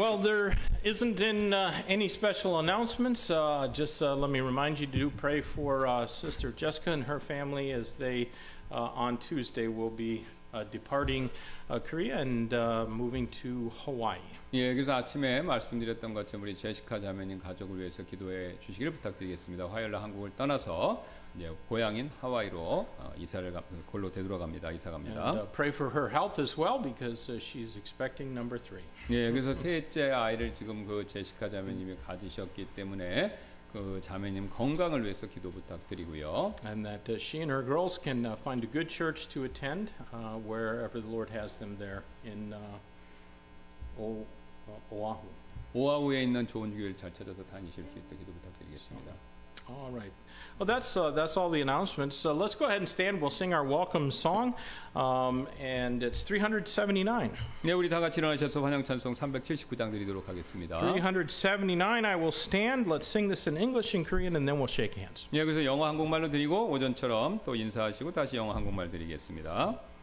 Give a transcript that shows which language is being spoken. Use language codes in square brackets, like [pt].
[en] Well, there isn't any special announcements. Just let me remind you to do pray for Sister Jessica and her family as they on Tuesday will be departing Korea and moving to Hawaii. [ko] 예, 그래서 아침에 말씀드렸던 것처럼 우리 제시카 자매님 가족을 위해서 기도해 주시기를 부탁드리겠습니다. 화요일 날 한국을 떠나서 이제 고향인 하와이로 이사를 골로 되돌아갑니다. 이사갑니다. [en] Pray for her health as well because she's expecting number three. [ko] 예, 그래서 셋째 아이를 지금 그 제시카 자매님이 가지셨기 때문에 그 자매님 건강을 위해서 기도 부탁드리고요. [en] And that she and her girls can find a good church to attend wherever the Lord has them there in Oahu. [ko] 오아후에 있는 좋은 교회를 잘 찾아서 다니실 수 있도록 기도 부탁드리겠습니다. [en] All right. Well, that's all the announcements. So let's go ahead and stand. We'll sing our welcome song, and it's 379. [ko] 네, 우리 다 같이 일어나셔서 환영 찬송 379장 드리도록 하겠습니다. [en] 379. I will stand. Let's sing this in English and Korean, and then we'll shake hands. [ko] 네, 그래서 영어 한국말로 드리고 오전처럼 또 인사하시고 다시 영어 한국말 드리겠습니다.